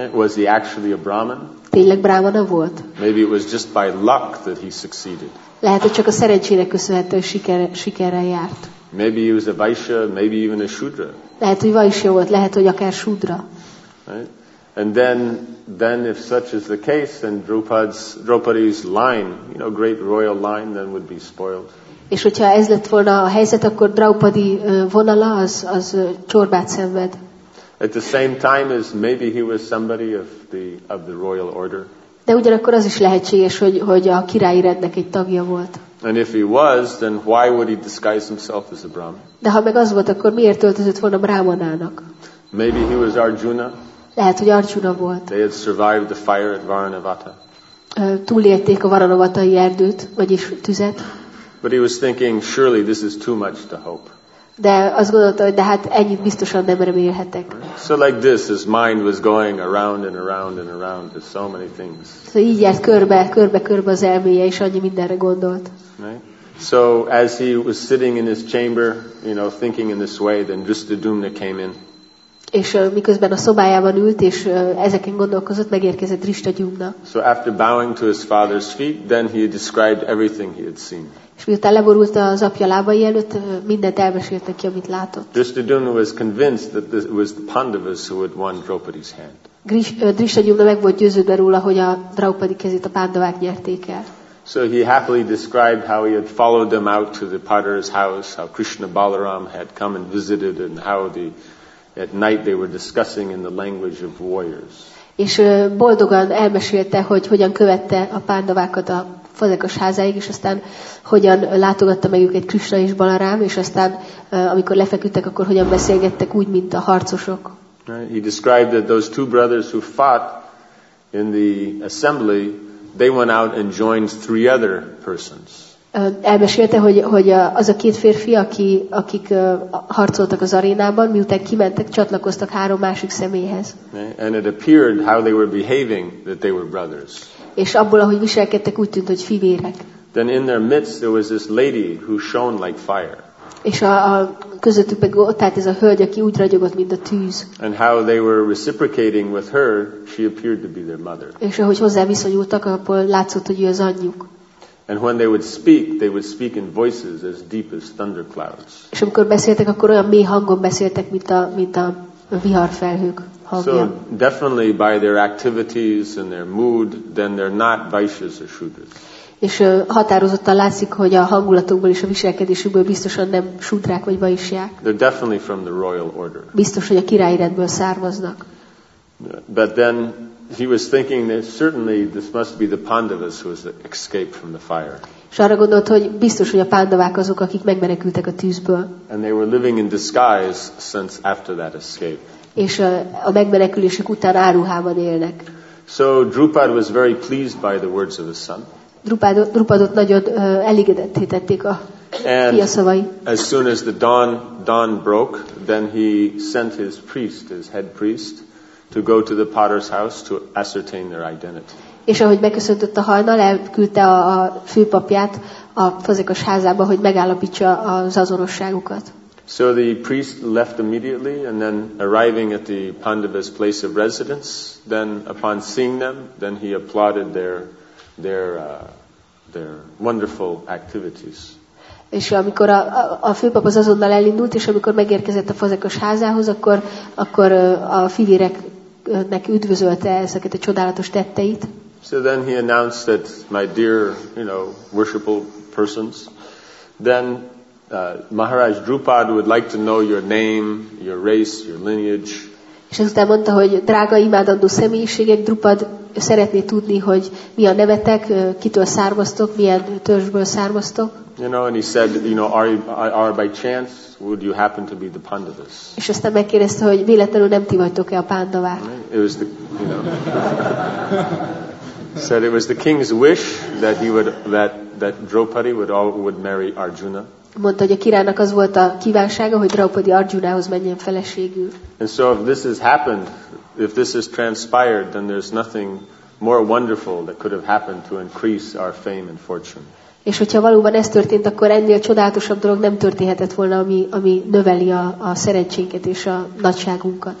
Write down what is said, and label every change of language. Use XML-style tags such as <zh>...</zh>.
<en>Was he actually a Brahmin?</en> <hu>Tényleg Brahmana volt?</hu> <en>Maybe it was just by luck that he succeeded.</en> <hu>Lehet, hogy csak a szerencsének köszönhető, hogy sikerrel járt.</hu> <en>Maybe he was a Vaishya, maybe even a Shudra.</en> <hu>Lehet, hogy Vaishya volt, lehet, hogy akár Shudra.</hu> <en>Right? And then if such is the case, then Draupadi's line, you know, great royal line, then would be spoiled.</en> <hu>És hogyha ez lett volna a helyzet, akkor Draupadi vonala az csorbát szenved.</hu> <en>At the same time as maybe he was somebody of the royal order.</en> <hu>De ugyanakkor az is lehetséges, hogy a királyi rendnek egy tagja volt.</hu> <en>And if he was, then why would he disguise himself as a Brahmin?</en> <hu>De ha meg az volt, akkor miért öltözött volna brahmanának?</hu> <en>Maybe he was Arjuna.</en> <hu>Lehet, hogy Arjuna volt.</hu> <en>They had survived the fire at Varanavata.</en> <hu>Túlélték a Varanavatai erdőt, vagyis tüzet.</hu> <en>But he was thinking, surely this is too much to hope.</en> <hu>De azt gondolta, hogy de hát ennyit biztosan nem remélhetek.</hu> <en>So like this, his mind was going around and around and around to so many things.</en> <hu>So így járt körbe az elméje, és annyi mindenre gondolt.</hu> <en>Right? So as he was sitting in his chamber, you know, thinking in this way, then Drishtadyumna came in.</en> <hu>És miközben a szobájában ült és ezeken gondolkozott, megérkezett Drishtadyumna.</hu> <en>So after bowing to his father's feet, then he described everything he had seen.</en> <hu>És miután leborult az apja lábai előtt, mindent elmesélt neki, amit látott.</hu> <en>Drishtadyumna was convinced that this was the Pandavas who had won Draupadi's hand.</en> <hu>Drishtadyumna meg volt győződve róla, hogy a Draupadi kezét a Pandavák nyerték el.</hu> <en>So he happily described how he had followed them out to the potter's house, how Krishna Balaram had come and visited, and how the at night they were discussing in the language of warriors.</en> <hu>És boldogan elmesélte, hogy hogyan követte a Pandavákat a fazekas házáig, és aztán hogyan látogatta meg őket Krishna és Balarám, és aztán amikor lefeküdtek, akkor hogyan beszélgettek úgy, mint a harcosok.</hu> <en>Right. He described that those two brothers who fought in the assembly, they went out and joined three other persons.</en> <hu>Elmesélte, hogy az a két férfi, akik harcoltak az arénában, miután kimentek, csatlakoztak három másik személyhez.</hu> <en>And it appeared how they were behaving that they were brothers.</en> <hu>És abból, ahogy viselkedtek, úgy tűnt, hogy fivérek.</hu> <en>Then in their midst there was this lady who shone like fire.</en> <hu>És a közöttük meg ott állt ez a hölgy, aki úgy ragyogott, mint a tűz.</hu> <en>And how they were reciprocating with her, she appeared to be their mother.</en> <hu>És ahogy hozzá viszonyultak, abból látszott, hogy ő az anyjuk.</hu> <en>And when they would speak in voices as deep as thunderclouds.</en> <hu>És amikor beszéltek, akkor olyan mély hangon beszéltek, mint a viharfelhők hangja.</hu> <en>So definitely by their activities and their mood, then they're not vaishyas or shudras.</en> <hu>És határozottan látszik, hogy a hangulatukból és a viselkedésükből biztosan nem sudrák vagy vaishyák.</hu> <en>They're definitely from the royal order.</en> <hu>Biztos, hogy a királyi rendből származnak.</hu> <en>But then he was thinking that certainly this must be the Pandavas who has escaped from the fire.</en> <hu>És arra gondolt, hogy biztos, hogy a pándavák azok, akik megmenekültek a tűzből.</hu> <en>And they were living in disguise since after that escape.</en> <hu>És a megmenekülésük után áruhában élnek.</hu> <en>So Drupad was very pleased by the words of his son.</en> <hu>Drupadot nagyon elégedetté tették a fia szavai.</hu> <en>As soon as the dawn broke, then he sent his priest, his head priest, to go to the potter's house to ascertain their identity.</en> <hu>És ahogy megköszöntött a hajnal, elküldte a főpapját a fazekas házába, hogy megállapítsa az azonosságukat.</hu> <en>So the priest left immediately, and then arriving at the Pandavas' place of residence, then upon seeing them, then he applauded their wonderful activities.</en> <hu>És amikor a főpap az azonnal elindult, és amikor megérkezett a fazekas házához, akkor a fivérek neki üdvözölte ezeket a csodálatos tetteit.</hu> <en>So then he announced that, my dear, you know, worshipful persons, then Maharaj Drupad would like to know your name, your race, your lineage.</en> <hu>És ezután mondta, hogy drága imádandó személyiségek, Drupad szeretné tudni, hogy mi a nevetek, kitől származtok, milyen törzsből származtok.</hu> <en>You know, and he said, you know, are by chance would you happen to be the Pandavas?</en> <hu>És aztán megkérdezte, hogy véletlenül nem ti vagytok-e a pándavák?</hu> <en>It was the, you know, said it was the king's wish that he would that Draupadi would marry Arjuna.</en> <hu>Mondta, hogy a királynak az volt a kívánsága, hogy Draupadi Arjunához menjen feleségül.</hu> <en>And so if this has happened, if this has transpired, then there's nothing more wonderful that could have happened to increase our fame and fortune.</en> <hu>És hogyha valóban ez történt, akkor ennél csodálatosabb dolog nem történhetett volna, ami növeli a szerencsénket és a nagyságunkat.</hu>